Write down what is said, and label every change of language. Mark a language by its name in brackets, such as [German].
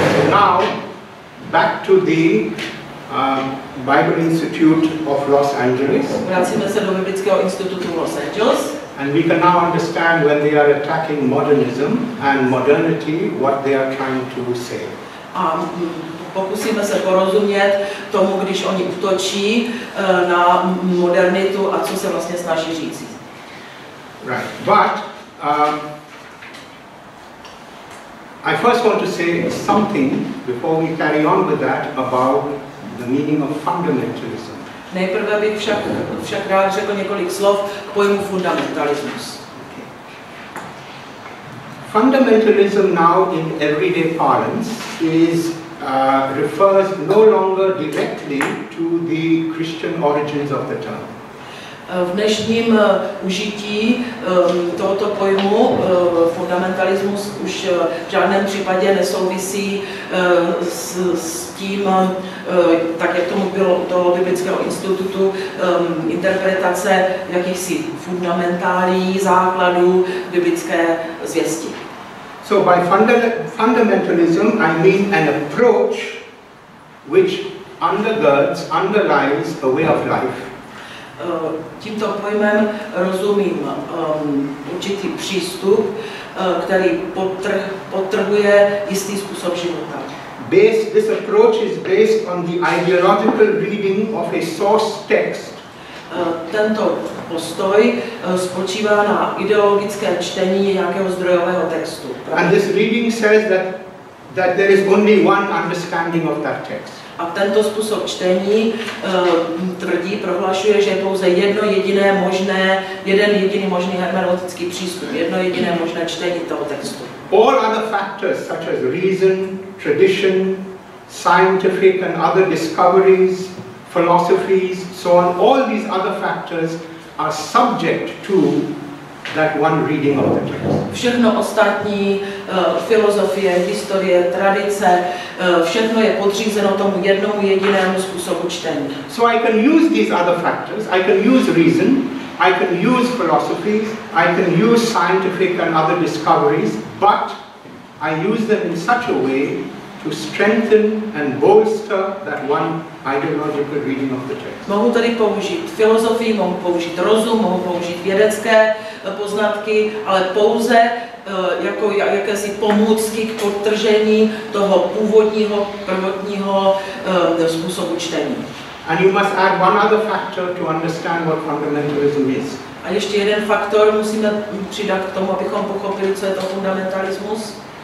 [English] Now, back to the Bible Institute of Los Angeles. [Czech] Vracíme se do Biblického institutu Los Angeles. [English] And we can now understand when they are attacking modernism and modernity, what they are trying to say. [Czech] A pokusíme se porozumět tomu, když oni útočí na modernitu a co se vlastně snaží říct. [English] Right, but I first want to say something before we carry on with that about the meaning of fundamentalism. [Czech] Nejprve bych však rád řekl několik slov k pojmu fundamentalismus. [English] Fundamentalism now in everyday parlance is refers no longer directly to the Christian origins of the term. [Czech] V dnešním užití tohoto pojmu fundamentalismus už v žádném případě nesouvisí s tím, tak jak tomu bylo u toho biblického institutu, interpretace jakýchsi fundamentálí základů biblické zvěsti. [English] So by fundamentalism I mean an approach which undergirds, underlies a way of life. [Czech] Tímto pojmem rozumím určitý přístup, který podtrhuje jistý způsob života. [English] This approach is based on the ideological reading of a source text. [Czech] Tento postoj spočívá na ideologickém čtení nějakého zdrojového textu. Pravda? [English] And this reading says that there is only one understanding of that text. [Czech] A tento způsob čtení tvrdí, prohlašuje, že je pouze jedno jediné možné, jeden jediný možný hermeneutický přístup, jedno jediné možné čtení toho textu. [English] All other factors such as reason, tradition, scientific and other discoveries, philosophies, so on, all these other factors are subject to that one reading of the text. [Czech] Všechno ostatní, filozofie, historie, tradice, všechno je podřízeno tomu jednomu jedinému způsobu čtení. [English] So I can use these other factors, I can use reason, I can use philosophy, I can use scientific and other discoveries, but I use them in such a way to strengthen and bolster that one ideological reading of the text. [Czech] Mohu tady použít filozofii, mohu použít rozum, mohu použít vědecké poznatky, ale pouze jako jakési pomůcky k podtržení toho původního, prvotního způsobu čtení. [English] And you must add one other factor to understand what fundamentalism is. [Czech] A ještě jeden faktor musíme přidat k tomu, abychom pochopili, co je to fundamentalismus.